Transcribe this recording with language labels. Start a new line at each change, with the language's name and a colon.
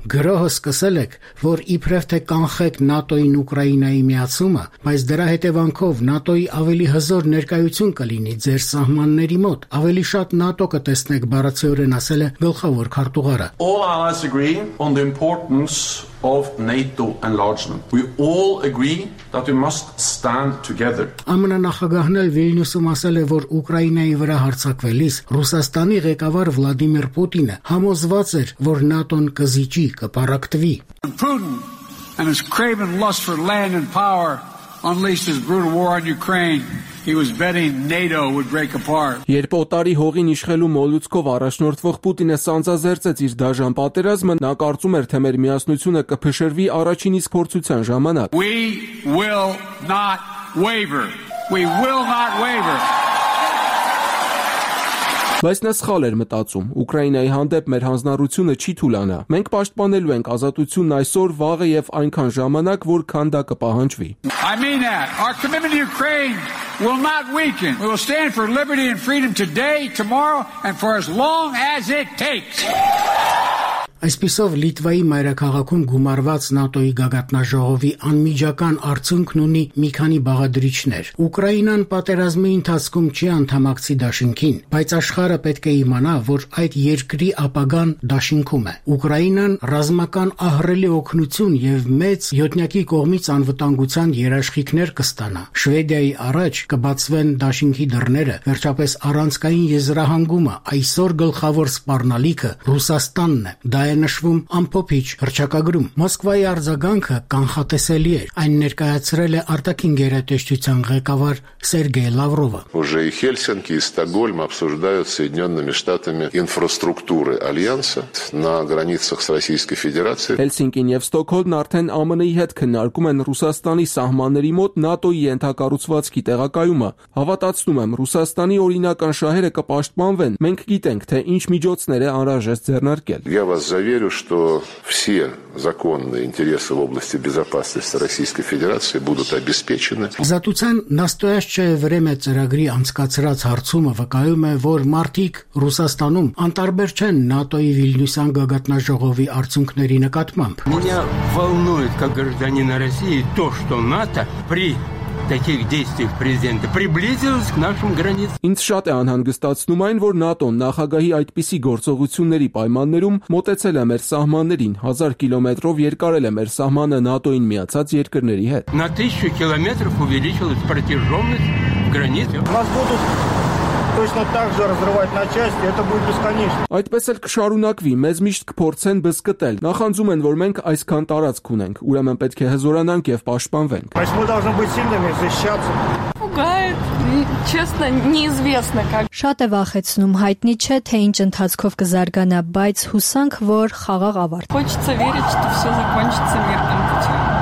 Armenian: «Գրոհը սկսել եք, որ իբր թե կանխեք ՆԱՏՕ-ին Ուկրաինայի միացումը, բայց դրա հետևանքով ՆԱՏՕ-ի ավելի հզոր ներկայություն կլինի ձեր սահմանների մոտ, ավելի շատ ՆԱՏՕ կտեսնեք», բարացիորեն ասել է գլխավոր քարտուղարը։
English: All allies agree on the importance of NATO enlargement. We all agree that we must stand together.
Armenian: ԱՄՆ նախագահն էլ Վիլնյուսում ասել է, որ Ուկրաինայի վրա հարձակվելիս Ռուսաստանի ղեկավար Վլադիմիր Պուտինը համոզված էր, որ ՆԱՏՕ-ն կզիջի, կպարակտվի։
English: Putin and his craven lust for land and power unleashed his brutal war on Ukraine. He was betting NATO would break apart.
Armenian: Երբ օտարի հողին իշխելու մոլուցկով առաջնորդվող Պուտինը սանձազերծեց իր դաժան պատերազմը, նա կարծում էր, թե մեր միասնությունը կփշրվի առաջին իսկ փորձության ժամանակ։
English: We will not waver. We will not waver.
Armenian: Բայց նա սխալ էր մտածում, Ուկրաինայի հանդեպ մեր հանձնառությունը չի թուլանա, մենք պաշտպանելու ենք ազատությունն այսօր, վաղը և այնքան ժամանակ, որ քան դա կպահանջվի։
English: I mean that. Our commitment to Ukraine will not weaken. We will stand for liberty and freedom today, tomorrow, and for as long as it takes.
Armenian: Այսպիսով Լիտվայի մայրաքաղաքում գումարված ՆԱՏՕ-ի գագաթնաժողովի անմիջական արդյունքն ունի մի քանի բաղադրիչներ։ Ուկրաինան պատերազմի ընթացքում չի անդամակցի Դաշինքին, բայց աշխարհը պետք է իմանա, որ այդ երկրի ապագան Դաշինքում է։ Ուկրաինան ռազմական ահռելի օգնություն և մեծ յոթնյակի կողմից անվտանգության երաշխիքներ կստանա։ Շվեդիայի առաջ կբացվեն Դաշինքի դռները, վերջապես առանցքային եզրահանգումը, այսօր գլխավոր սպառնալիքը Ռուսաստանն է։ Դա է նշվում ամփոփիչ հռչակագրում։ Մոսկվայի արձագանքը կանխատեսելի էր, այն ներկայացրել է արտաքին գերատեսչության ղեկավար Սերգեյ Լավրովը։
Russian: Уже и Хельсинки, и Стокгольм обсуждают с Соединёнными Штатами инфраструктуры альянса на границах с Российской Федерацией։
Armenian: Հելսինկին և Ստոկհոլմն արդեն ԱՄՆ-ի հետ քննարկում են Ռուսաստանի սահմանների մոտ ՆԱՏՕ-ի ենթակառուցվածքի տեղակայումը։ Հավատացնում եմ, Ռուսաստանի օրինական շահերը կպաշտպանվեն։ Մենք գիտենք, թե ինչ միջոցներ է անհրաժեշտ ձեռնարկել։
Russian: Я вас заверю, что все законные интересы в области безопасности Российской Федерации будут обеспечены. Затуцан настоящее время
Armenian: ծրագրի անցկացրած հարցումը վկայում է, որ մարդիկ Ռուսաստանում անտարբեր չեն ՆԱՏՕ-ի Վիլնյուսյան գագաթնաժողովի արդյունքների նկատմամբ։
Russian: Меня волнует как гражданина России то, что НАТО при таких действиях президента приблизилась к нашим границам.
Armenian: Ինձ շատ է անհանգստացնում այն, որ ՆԱՏՕ-ն նախագահի այդպիսի գործողությունների պայմաններում մոտեցել է մեր սահմաններին, 1000 կիլոմետրով երկարել է մեր սահմանը ՆԱՏՕ-ին միացած երկրների հետ։
Russian: На 1000 километров увеличилась протяженность границ. Нас будут точно так же разрывать на части, это будет бесконечно.
Armenian: Այդպես էլ կշարունակվի, մեզ միշտ կփորձեն բսկտել։ Նախանձում են, որ մենք այսքան տարածք ունենք, ուրեմն պետք է հզորանանք եւ պաշտպանվենք։ Բայց մենք
Russian: должны быть сильными, защищаться. Пугает, честно, неизвестно как.
Armenian: Շատ է վախեցնում, հայտնի չէ թե ինչ ընթացքով կզարգանա, բայց հուսանք, որ խաղաղ ավարտ։
Russian: Хочется верить, что всё закончится мирным путём.